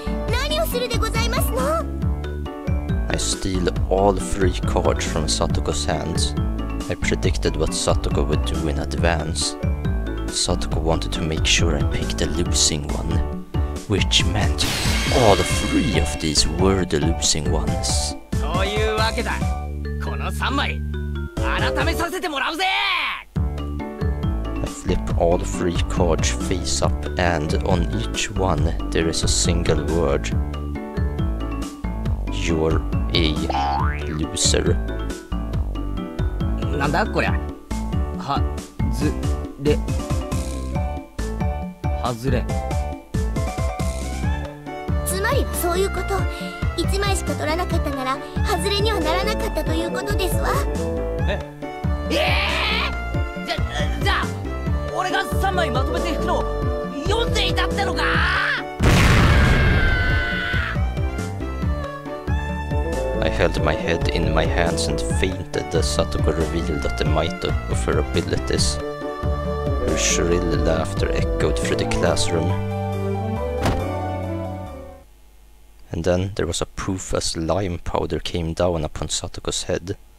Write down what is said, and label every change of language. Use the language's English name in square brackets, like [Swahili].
[Japanese] 何をするでございますの? [English] I steal all three cards from Satoko's hands. I predicted what Satoko would do in advance. Satoko wanted to make sure I picked the losing one. Which meant all three of these were the losing ones. [Japanese] というわけだ。この3枚、改めさせてもらうぜ! [English] I flip all three cards face up and on each one there is a single word. You're a loser. [Japanese] なんだこりゃ。は、ず、れ、はずれ。つまりはそういうこと。一枚しか取らなかったならはずれにはならなかったということですわ。え、じゃあ俺が三枚まとめて引くのを読んでいたってのか。 [English] I held my head in my hands and fainted as Satoko revealed the might of her abilities. Her shrill laughter echoed through the classroom. And then there was a poof as lime powder came down upon Satoko's head.